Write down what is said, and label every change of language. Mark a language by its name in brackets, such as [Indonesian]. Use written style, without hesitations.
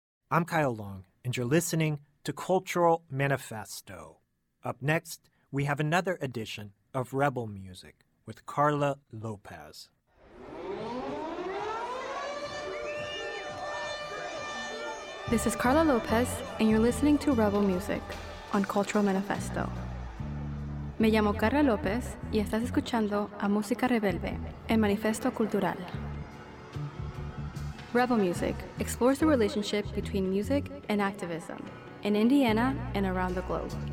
[English] I'm Kyle Long, and you're listening to Cultural Manifesto. Up next, we have another edition of Rebel Music with Carla Lopez. This is Carla Lopez, and you're listening to Rebel Music on Cultural Manifesto. [Spanish] Me llamo Carla Lopez, y estás escuchando a Música Rebelde, el Manifesto Cultural. [English] Rebel Music explores the relationship between music and activism in Indiana and around the globe.